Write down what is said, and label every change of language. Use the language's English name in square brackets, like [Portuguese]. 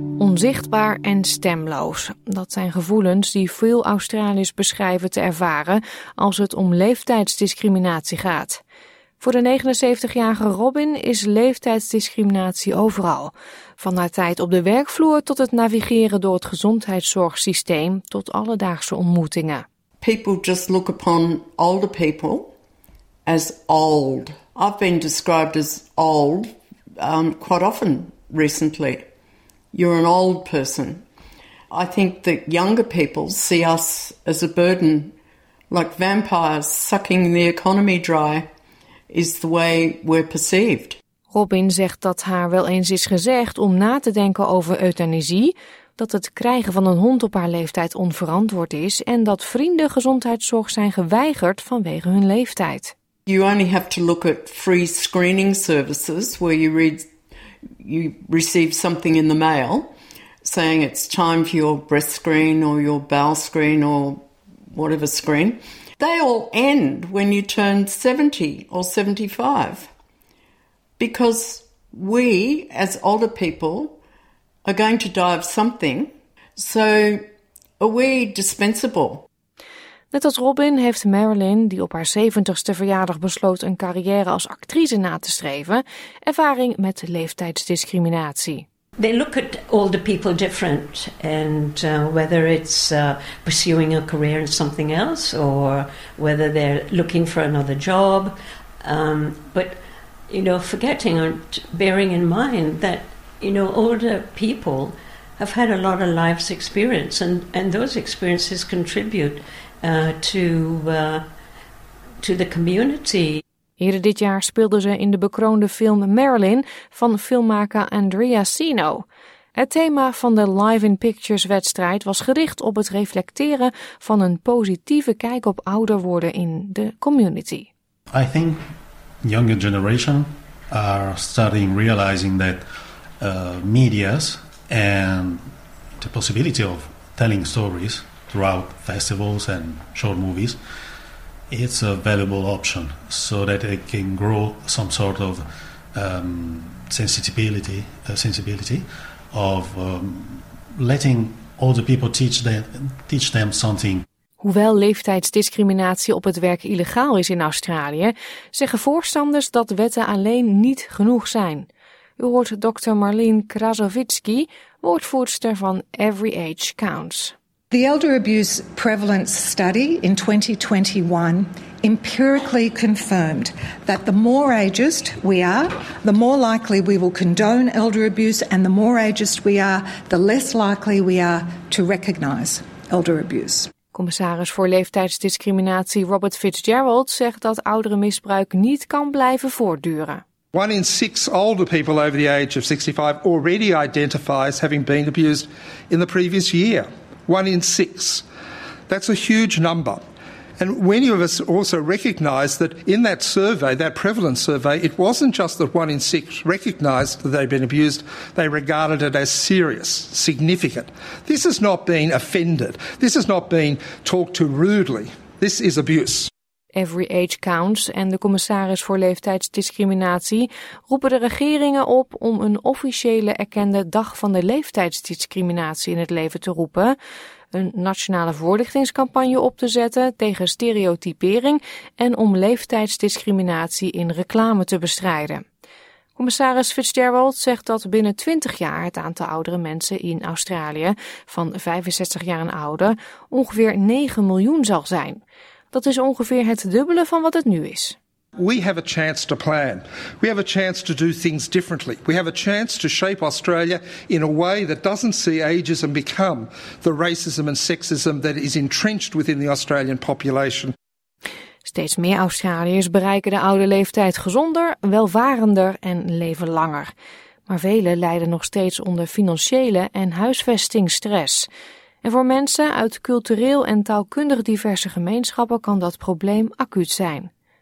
[Dutch] onzichtbaar en stemloos. Dat zijn gevoelens die veel Australiërs beschrijven te ervaren als het om leeftijdsdiscriminatie gaat. Voor de 79-jarige Robin is leeftijdsdiscriminatie overal. Van haar tijd op de werkvloer tot het navigeren door het gezondheidszorgsysteem tot alledaagse ontmoetingen. [English] People just look upon older people as old. I've been described as old quite often recently. You're an old person. I think that younger people see us as a burden, like vampires sucking the economy dry, is the way we're perceived. [Dutch] Robin zegt dat haar wel eens is gezegd om na te denken over euthanasie, dat het krijgen van een hond op haar leeftijd onverantwoord is en dat vrienden gezondheidszorg zijn geweigerd vanwege hun leeftijd. [English] You only have to look at free screening services where you read, you receive something in the mail saying it's time for your breast screen or your bowel screen or whatever screen. They all end when you turn 70 or 75. Because we, as older people, are going to die of something. So are we dispensable? [Dutch] Net als Robin heeft Marilyn, die op haar 70ste verjaardag besloot een carrière als actrice na te streven, ervaring met leeftijdsdiscriminatie. [English] They look at older people different. And whether it's pursuing a career in something else or whether they're looking for another job. But, you know, forgetting or bearing in mind that, you know, older people have had a lot of life's experience and those experiences contribute to the community. [Dutch] Eerder dit jaar speelde ze in de bekroonde film Marilyn van filmmaker Andrea Sino. Het thema van de Live in Pictures wedstrijd was gericht op het reflecteren van een positieve kijk op ouder worden in de community. [English] I think younger generation are starting realizing that media's and the possibility of telling stories throughout festivals and short movies, it's a valuable option so that it can grow some sort of sensibility of letting older people teach them something. [Dutch] Hoewel leeftijdsdiscriminatie op het werk illegaal is in Australië, zeggen voorstanders dat wetten alleen niet genoeg zijn. U hoort Dr. Marlene Krasovitsky, woordvoerster van Every Age Counts. [English] The Elder Abuse Prevalence Study in 2021 empirically confirmed that the more ageist we are, the more likely we will condone elder abuse, and the more ageist we are, the less likely we are to recognize elder abuse. [Dutch] Commissaris voor leeftijdsdiscriminatie Robert Fitzgerald zegt dat ouderenmisbruik niet kan blijven voortduren. [English] One in six older people over the age of 65 already identifies having been abused in the previous year. One in six. That's a huge number. And many of us also recognise that in that survey, that prevalence survey, it wasn't just that one in six recognised that they'd been abused, they regarded it as serious, significant. This has not been offended. This has not been talked to rudely. This is abuse. [Dutch] Every Age Counts en de commissaris voor leeftijdsdiscriminatie roepen de regeringen op om een officiële erkende dag van de leeftijdsdiscriminatie in het leven te roepen, een nationale voorlichtingscampagne op te zetten tegen stereotypering en om leeftijdsdiscriminatie in reclame te bestrijden. Commissaris Fitzgerald zegt dat binnen 20 jaar het aantal oudere mensen in Australië van 65 jaar en ouder ongeveer 9 miljoen zal zijn. Dat is ongeveer het dubbele van wat het nu is. [English] We have a chance to plan. We have a chance to do things differently. We have a chance to shape Australia in a way that doesn't see ageism become the racism and sexism that is entrenched within the Australian population. [Dutch] Steeds meer Australiërs bereiken de oude leeftijd gezonder, welvarender en leven langer. Maar velen lijden nog steeds onder financiële en huisvestingsstress. En voor mensen uit cultureel en taalkundig diverse gemeenschappen kan dat probleem acuut zijn.